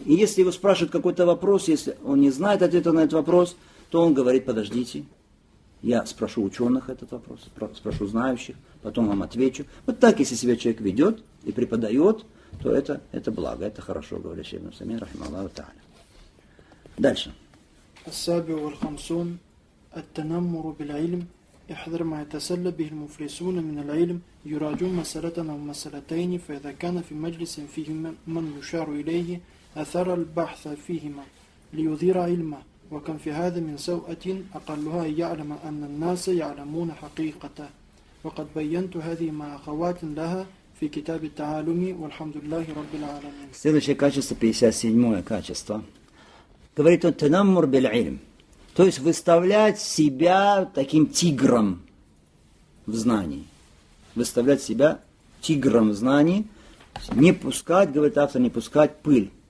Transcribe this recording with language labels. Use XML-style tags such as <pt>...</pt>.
<ru>И если его спрашивают какой-то вопрос, если он не знает ответа на этот вопрос, то он говорит, подождите, я спрошу ученых этот вопрос, спрошу знающих, потом вам отвечу. Вот так, если себя человек ведет и преподает, то это благо, это хорошо, говорит Шейх Мусаймин, рахималлаху та'аля. Дальше.</ru> <ar>Ас-сабиу валь-хамсун. التنمر بالعلم يحذر ما يتسلى به المفلسون من العلم يراجون مسألة أو مسألتين فإذا كان في مجلس فيه من يشار إليه أثر البحث فيهما ليظهر علمه وكان في هذا من سوءة أقلها يعلم أن الناس يعلمون حقيقته وقد بينت هذه مع أخوات لها في كتاب التعالم والحمد لله رب العالمين.</ar> <ru>Следующее качество, 57-е качество. Говорит он, تنمر بالعلم. То есть выставлять себя таким тигром в знании. Выставлять себя тигром в знании. Не пускать, говорит автор, не пускать пыль.</ru>